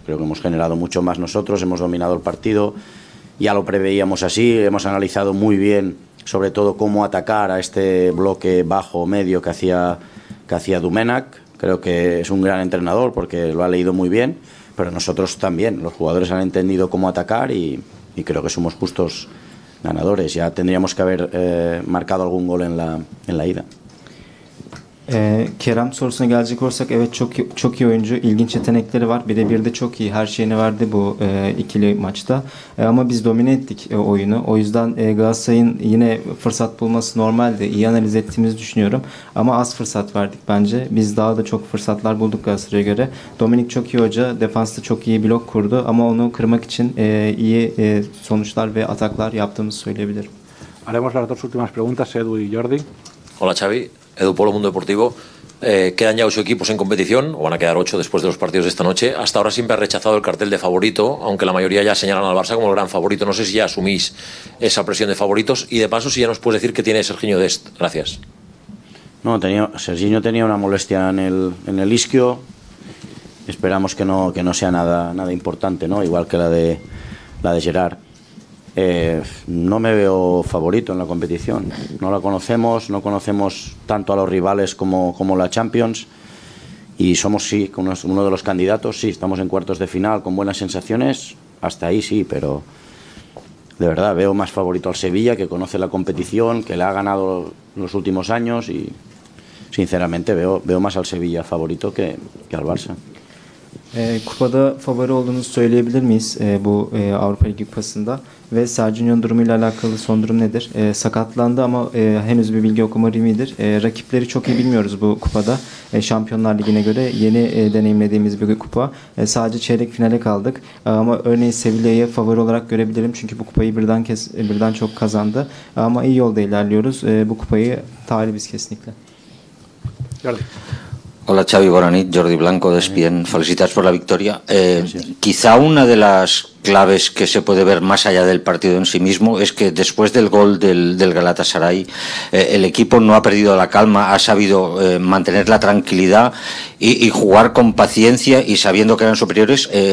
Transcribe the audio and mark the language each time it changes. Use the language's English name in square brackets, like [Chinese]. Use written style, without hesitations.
[Spanish] Creo que hemos generado mucho más nosotros, hemos dominado el partido, ya lo preveíamos así, hemos analizado muy bien sobre todo cómo atacar a este bloque bajo o medio que hacía Domènech. Creo que es un gran entrenador porque lo ha leído muy bien, pero nosotros también, los jugadores han entendido cómo atacar y creo que somos justos ganadores. Ya tendríamos que haber marcado algún gol en la ida. [Turkish] Kerem sorusuna gelecek olursak, evet, çok çok iyi oyuncu, ilginç yetenekleri var, birebir de çok iyi, her şeyini verdi bu ikili maçta, ama biz domine ettik oyunu, o yüzden Galatasaray'ın yine fırsat bulması normaldi, iyi analiz ettiğimizi düşünüyorum ama az fırsat verdik bence. Biz daha da çok fırsatlar bulduk Galatasaray'a göre. Dominik çok iyi hoca, defansta çok iyi blok kurdu ama onu kırmak için iyi sonuçlar ve ataklar yaptığımızı söyleyebilirim. [Spanish] Haremos las dos últimas preguntas, Edu y Jordi. Hola Xavi. Edu Polo, Mundo Deportivo. ¿Quedan ya 8 equipos en competición o van a quedar 8 después de los partidos de esta noche? Hasta ahora siempre ha rechazado el cartel de favorito, aunque la mayoría ya señalan al Barça como el gran favorito. No sé si ya asumís esa presión de favoritos y de paso si ya nos puedes decir qué tiene Serginho Dest. Gracias. No, Serginho tenía una molestia en el isquio. Esperamos que no sea nada importante, ¿no? Igual que la de Gerard. No me veo favorito en la competición. No la conocemos, no conocemos tanto a los rivales como la Champions. Y somos, sí, uno de los candidatos. Sí, estamos en cuartos de final con buenas sensaciones. Hasta ahí sí, pero de verdad veo más favorito al Sevilla, que conoce la competición, que la ha ganado los últimos años. Y sinceramente veo más al Sevilla favorito que al Barça. [Turkish] Kupada favori olduğunuzu söyleyebilir miyiz bu Avrupa Ligi kupasında? Ve Serginho'nun durumuyla alakalı son durum nedir? Sakatlandı ama henüz bir bilgi yok, umarım iyidir. Rakipleri çok iyi bilmiyoruz bu kupada. Şampiyonlar Ligi'ne göre yeni deneyimlediğimiz bir kupa. Sadece çeyrek finale kaldık. Ama örneğin Sevilla'yı favori olarak görebilirim. Çünkü bu kupayı birden çok kazandı. Ama iyi yolda ilerliyoruz. Bu kupayı talibiz kesinlikle. Geldi. [Spanish] Hola Xavi, Boranit, Jordi Blanco, de ESPN. Felicitas por la victoria. Quizá una de las claves que se puede ver más allá del partido en sí mismo es que después del gol del Galatasaray, el equipo no ha perdido la calma, ha sabido mantener la tranquilidad y jugar con paciencia y sabiendo que eran superiores.